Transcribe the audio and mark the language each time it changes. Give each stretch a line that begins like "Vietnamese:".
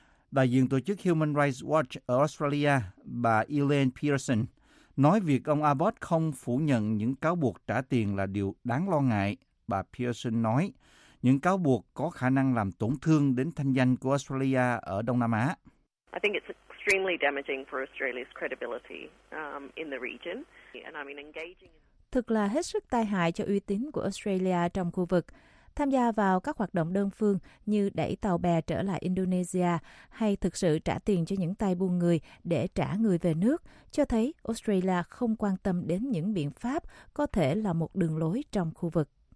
Vietnamese: Đại diện tổ chức Human Rights Watch ở Australia, bà Elaine Pearson, nói việc ông Abbott không phủ nhận những cáo buộc trả tiền là điều đáng lo ngại. Bà Pearson nói, những cáo buộc có khả năng làm tổn thương đến thanh danh của Australia ở Đông Nam Á.
English: I think it's extremely damaging for Australia's credibility in the region. And I mean, engaging...
Vietnamese: Thực là hết sức tai hại cho uy tín của Australia trong khu vực. Tham gia vào các hoạt động đơn phương như đẩy tàu bè trở lại Indonesia hay thực sự trả tiền cho những tay buôn người để trả người về nước cho thấy Australia không quan tâm đến những biện pháp có thể là một đường lối trong khu vực.